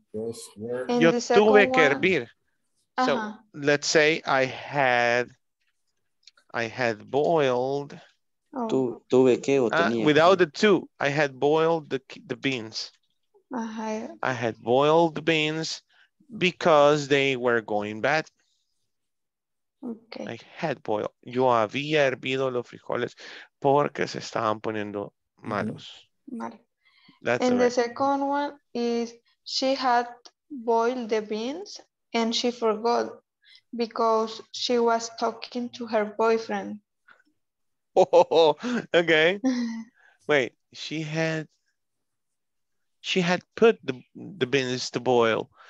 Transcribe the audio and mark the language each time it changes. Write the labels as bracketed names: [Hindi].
[Spanish] Yo tuve que hervir. [English] So let's say I had boiled. [Spanish] Tuve que o tenía. [English] Without the two, I had boiled the beans. I had boiled the beans because they were going bad. Okay. I had boiled. [Spanish] Yo había hervido los frijoles porque se estaban poniendo malos. Vale. [English] And the second one is, she had boiled the beans and she forgot because she was talking to her boyfriend. Oh, okay. Wait, she had put the beans to boil.